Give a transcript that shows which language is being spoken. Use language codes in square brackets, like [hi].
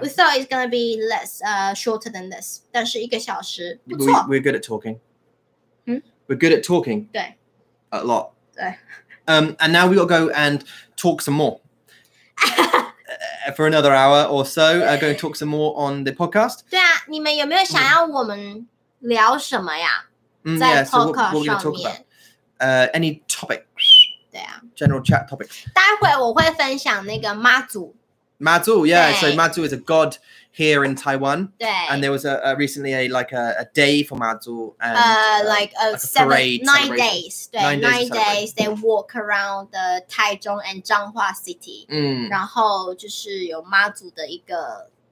[en] We thought it's gonna be less, shorter than this. [zh] 但是一个小时，不错。 [en] We're good at talking. We're good at talking. [zh] 对。 [en] A lot. [zh] 对。 [en] And now we gotta go and talk some more. for another hour or so, go and talk some more on the podcast. [zh] 对啊，你们有没有想要我们聊什么呀？在 podcast 上面。 [en] Any topics? [zh] 对啊。 [en] General chat topics. [zh] 待会我会分享那个妈祖。 [en] 妈祖 yeah, so 妈祖 is a god here in Taiwan. [zh] 对。 [en] And there was a recently a like a day for 妈祖 and nine days. 对 ，9 days they walk around the Taichung and Zhanghua city. [zh] 然后就是有妈祖的一个